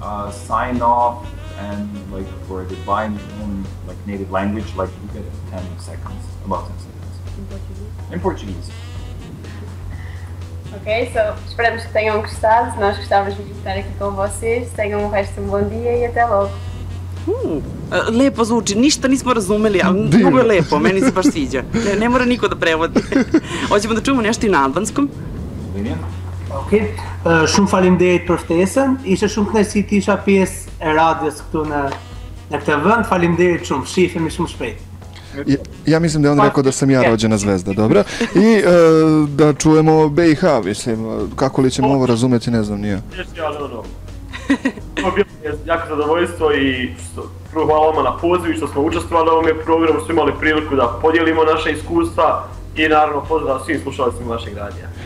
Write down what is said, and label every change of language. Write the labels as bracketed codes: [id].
[en] Sign off and for a divine moon, native language, you get 10 seconds, about 10 seconds. In Portuguese? In Portuguese. [pt] Ok, so, esperamos que tenham gostado, nós gostávamos de estar aqui com vocês, tenham o resto um bom dia e até logo. [sr] Lepo zvuči, ništa nismo razumeli, ali mnogo je lepo, meni se baš sviđa. Ne mora niko da prevodi. Hoćemo da čujemo nešto i na albanskom. [sq] Ok, shumë faleminderit për ftesën, ishte shumë kënaqësi ti isha pjesë e radios këtu në këtë vend, faleminderit shumë, shihemi shumë shpejt. [sr] Ja mislim da je on rekao da sam ja rođena zvezda, dobro? I da čujemo BiH, mislim, kako li ćemo ovo razumeti, ne znam, nije. [bs] To je bilo jako zadovoljstvo i prvo hvala vam na poziv i što smo učestvovali u ovom programu, smo imali priliku da podijelimo naše iskustva i naravno pozdrav svim slušalacima našeg radija.